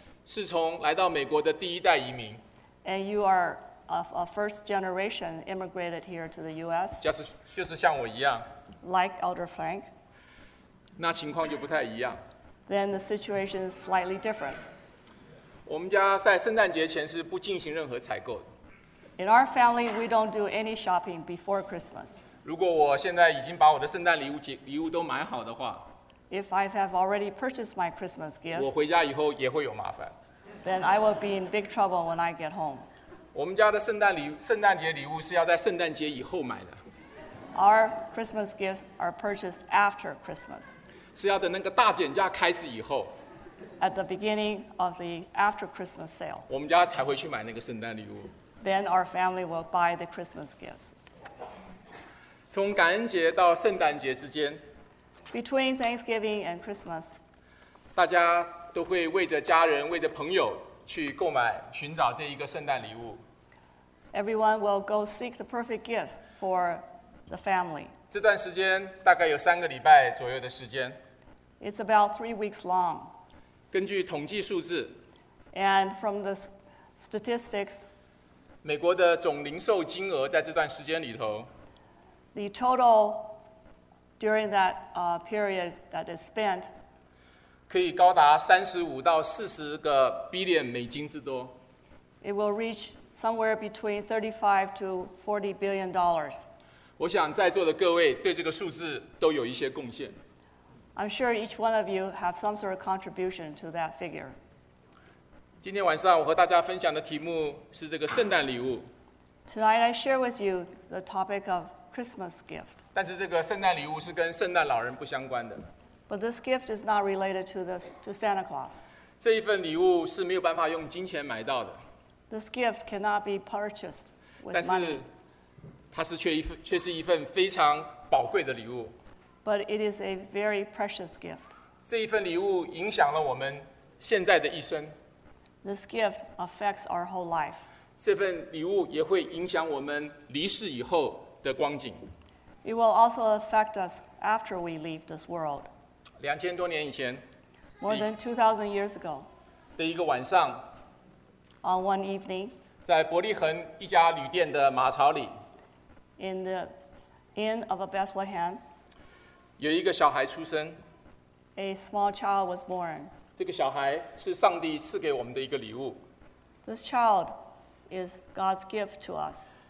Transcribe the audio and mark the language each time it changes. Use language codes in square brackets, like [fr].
[zh] 是从来到美国的第一代移民 [en] ，And you are of a first generation immigrated here to the U.S.， [zh] 就是像我一样 [en] ，Like Elder Frank， [zh] 那情况就不太一样 [en] ，Then the situation is slightly different。 [zh] 我们家在圣诞节前是不进行任何采购的。 [en] In our family, we don't do any shopping before Christmas. [zh] 如果我现在已经把我的圣诞礼物都买好的话 [en] ，If I have already purchased my Christmas gifts， [zh] 我回家以后也会有麻烦。 [en] Then I will be in big trouble when I get home. [zh] 我们家的圣诞节礼物是要在圣诞节以后买的。 [en] Our Christmas gifts are purchased after Christmas. [zh] 是要等那个大减价开始以后 [en] ，At the beginning of the after Christmas sale， [zh] 我们家才会去买那个圣诞礼物。 [en] Then our family will buy the Christmas gifts. [zh] 从感恩节到圣诞节之间 [en] ，Between Thanksgiving and Christmas， [zh] 大家都会为着家人、为着朋友去购买、寻找这一个圣诞礼物。 [en] Everyone will go seek the perfect gift for the family. [zh] 这段时间大概有三个礼拜左右的时间。 [en] It's about 3 weeks long. [zh] 根据统计数字 [en] ，And from the statistics。 [zh] 美国的总零售金额在这段时间里头 [en] ，The total during that period that is spent， [zh] 可以高达35到40个 billion 美金之多。 [en] It will reach somewhere between $35 to $40 billion。 [zh] 我想在座的各位对这个数字都有一些贡献。 [en] I'm sure each one of you have some sort of contribution to that figure。 [zh] 今天晚上我和大家分享的题目是这个圣诞礼物。 [en] Tonight I share with you the topic of Christmas gift. [zh] 但是这个圣诞礼物是跟圣诞老人不相关的。 [en] But this gift is not related to Santa Claus. [zh] 这一份礼物是没有办法用金钱买到的。 [en] This gift cannot be purchased with money. [zh] 但是它是却是一份非常宝贵的礼物。 [en] But it is a very precious gift. [zh] 这一份礼物影响了我们现在的一生。 [en] This gift affects our whole life. [zh] 这份礼物也会影响我们离世以后的光景。 [en] It will also affect us after we leave this world. [zh] 2000多年以前 [en] ，More than 2,000 years ago， [zh] 的一个晚上 [en] ，On one evening， [zh] 在伯利恒一家旅店的马槽里 [en] ，In the inn of a Bethlehem， [zh] 有一个小孩出生 [en] ，A small child was born。 [zh] 这个小孩是上帝赐给我们的一个礼物。 [en] This child is God's gift to us.